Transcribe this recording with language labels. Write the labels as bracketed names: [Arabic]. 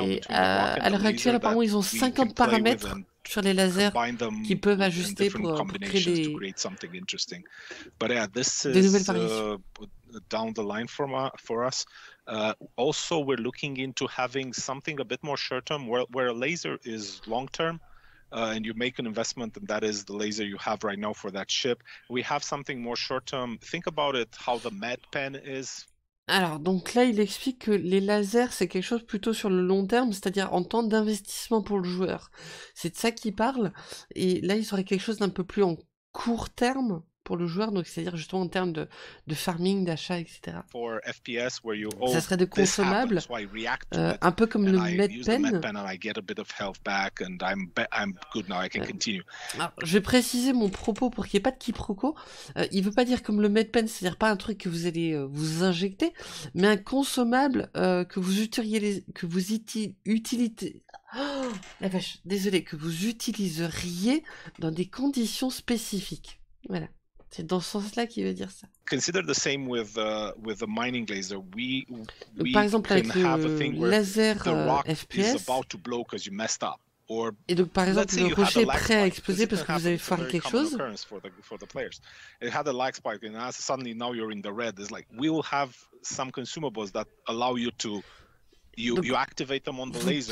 [French] À l'heure actuelle, apparemment, ils ont 50 paramètres sur les lasers qui peuvent ajuster pour créer des nouvelles variations. [English] Down the line for us. Also, we're looking into having something a bit more short term, where a laser is long term. And you make an investment, and that is the laser you have right now for that ship. We have something more short-term. Think about it, how the med pen is. [French] Alors, donc là, il explique que les lasers, c'est quelque chose plutôt sur le long terme, c'est-à-dire en temps d'investissement pour le joueur. C'est de ça qu'il parle. Et là, il serait quelque chose d'un peu plus en court terme pour le joueur, donc c'est-à-dire justement en termes de farming, d'achat, etc. [English] For FPS, where you [French] ça serait des consommables, [English] so [French] un peu comme [English] and [French] le MedPen. [English] I'm good now, I can continue. [French] Alors, je vais préciser mon propos pour qu'il n'y ait pas de quiproquo. Il ne veut pas dire comme le MedPen, c'est-à-dire pas un truc que vous allez vous injecter, mais un consommable que vous utiliseriez dans des conditions spécifiques. Voilà, c'est dans ce sens-là qu'il veut dire ça. [English] Consider the same with the mining laser. [French] Par exemple, avec le laser FPS. [English] About to blow because you messed up. Or, [French] et donc, par exemple, le rocher est prêt à exploser parce que vous avez foiré quelque chose. [English] For the players. It had a lag spike, and as suddenly now you're in the red. It's like we will have some consumables that allow you to. You activate them on the laser,